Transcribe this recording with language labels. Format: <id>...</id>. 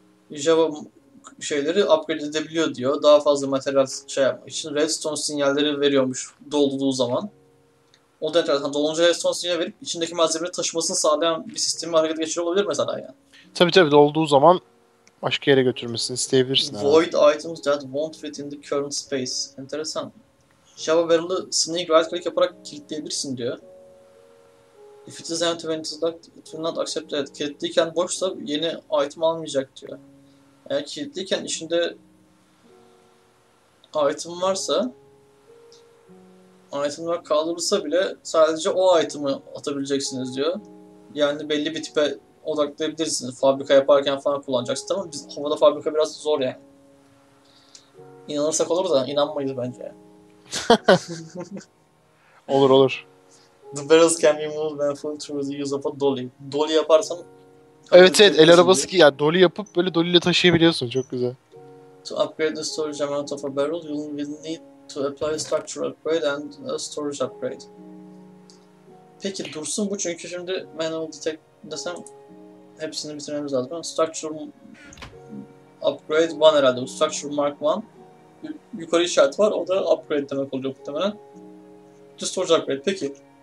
<tr>Java şeyleri upgrade edebiliyor diyor. Daha fazla materyal şey yapmak için redstone sinyalleri veriyormuş dolduğu zaman. O da enteresan. Dolunca redstone sinyali verip içindeki malzemeleri taşımasını sağlayan bir sistemi harekete geçiriyor olabilir mesela yani. Tabii, dolduğu zaman başka yere götürmesini isteyebilirsin herhalde.</tr> <en>Void items that won't fit in the current space.</en> <tr>Enteresan. Java barrel'ı sneak right click yaparak kilitleyebilirsin diyor.</tr> <en>If it is empty when it is locked, it will not accept it.</en> <tr>Kilitliyken boşsa yeni item almayacak diyor. Eğer kilitliyken içinde item varsa, itemler kaldırılsa bile sadece o item'ı atabileceksiniz diyor. Yani belli bir tipe odaklayabilirsiniz. Fabrika yaparken falan kullanacaksınız, ama biz havada fabrika biraz zor yani. İnanırsak olur da inanmayız bence. Olur.</tr> <en>The barrels can be moved when filled through the use of a dolly.</en> <tr>Dolly yaparsan Evet, hareket el arabası edebiliyorsun ki ya, yani dolu yapıp böyle dolu ile taşıyabiliyorsun, çok güzel. diyor.</tr> <en>To upgrade the storage amount of a barrel, you will need to apply a structural upgrade and a storage upgrade.</en> <tr>Peki dursun bu, çünkü şimdi manual detect desem hepsini bitirmemiz lazım. Structural upgrade 1 herhalde. Structural mark 1. Yukarı işaret var. O da upgrade demek oluyor muhtemelen. Storage upgrade. Peki.</tr>